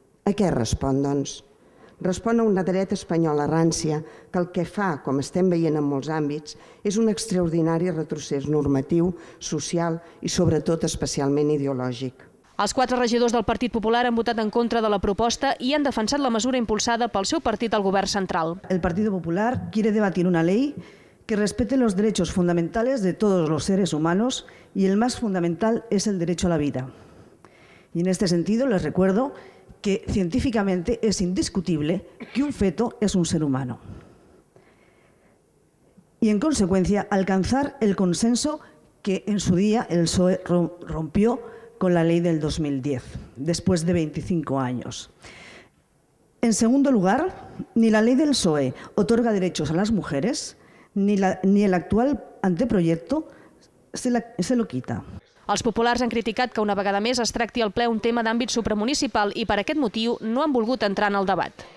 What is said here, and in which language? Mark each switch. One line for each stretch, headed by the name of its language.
Catalan: A què respon, doncs? Respon a una dreta espanyola rància que el que fa, com estem veient en molts àmbits, és un extraordinari retrocés normatiu, social i, sobretot, especialment ideològic. Els quatre regidors del Partit Popular han votat en contra de la proposta i han defensat la mesura impulsada pel seu partit al govern central.
Spanish: El Partit Popular quiere debatir una ley que respete los derechos fundamentales de todos los seres humanos y el más fundamental es el derecho a la vida. Y en este sentido les recuerdo que científicamente es indiscutible que un feto es un ser humano. Y en consecuencia alcanzar el consenso que en su día el PSOE rompió con la ley del 2010, después de 25 años. En segundo lugar, ni la ley del PSOE otorga derechos a las mujeres, ni el actual anteproyecto se lo quita.
Catalan: Els populars han criticat que una vegada més es tracti al ple un tema d'àmbit supramunicipal i per aquest motiu no han volgut entrar en el debat.